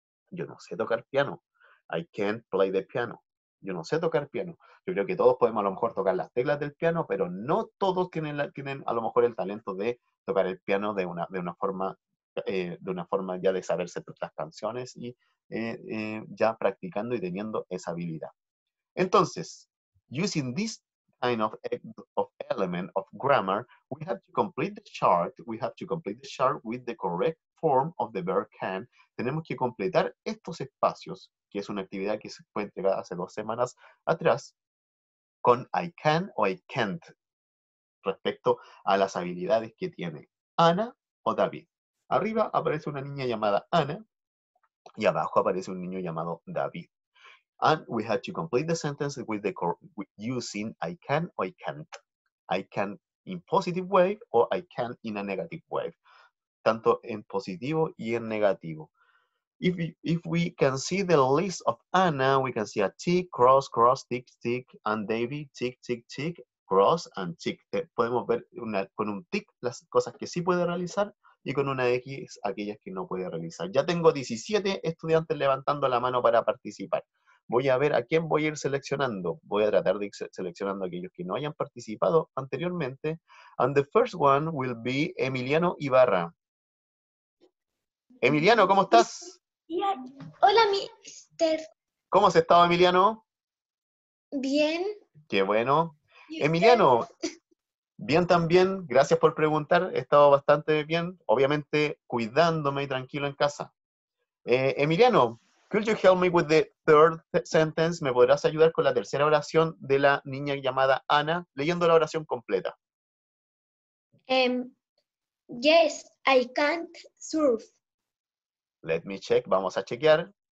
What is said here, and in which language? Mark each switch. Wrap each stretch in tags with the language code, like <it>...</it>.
<es>Yo no sé tocar piano.</es> <en>I can't play the piano.</en> <es>Yo no sé tocar piano. Yo creo que todos podemos a lo mejor tocar las teclas del piano, pero no todos tienen a lo mejor el talento de tocar el piano de una forma ya de saberse las canciones y ya practicando y teniendo esa habilidad.</es> <en>Entonces, using this kind of element of grammar, we have to complete the chart. We have to complete the chart with the correct form of the verb can.</en> <es>Tenemos que completar estos espacios, que es una actividad que se fue entregada hace dos semanas atrás, con I can o I can't, respecto a las habilidades que tiene Ana o David. Arriba aparece una niña llamada Ana y abajo aparece un niño llamado David.</es> <en>And we have to complete the sentence using I can or I can't. I can in positive way or I can in a negative way.</en> <es>Tanto en positivo y en negativo.</es> <en>If we can see the list of Anna, we can see a tick, cross, cross, tick, tick, and David, tick, tick, tick. cross and tick.</en> <es>Podemos ver una, con un tick las cosas que sí puede realizar y con una X aquellas que no puede realizar. Ya tengo 17 estudiantes levantando la mano para participar. Voy a ver a quién voy a ir seleccionando. Voy a tratar de ir seleccionando a aquellos que no hayan participado anteriormente.</es> <en>And the first one will be Emiliano Ibarra. Emiliano,</en> <es>¿cómo estás? Hola, mister. ¿Cómo has estado, Emiliano? Bien. Qué bueno. Emiliano, bien también, gracias por preguntar. He estado bastante bien, obviamente cuidándome y tranquilo en casa.</es> <en>Emiliano, could you help me with the third sentence?</en> <es>¿Me podrás ayudar con la tercera oración de la niña llamada Ana, leyendo la oración completa?</es> <en>Yes, I can't surf. Let me check,</en> <es>vamos a chequear.</es>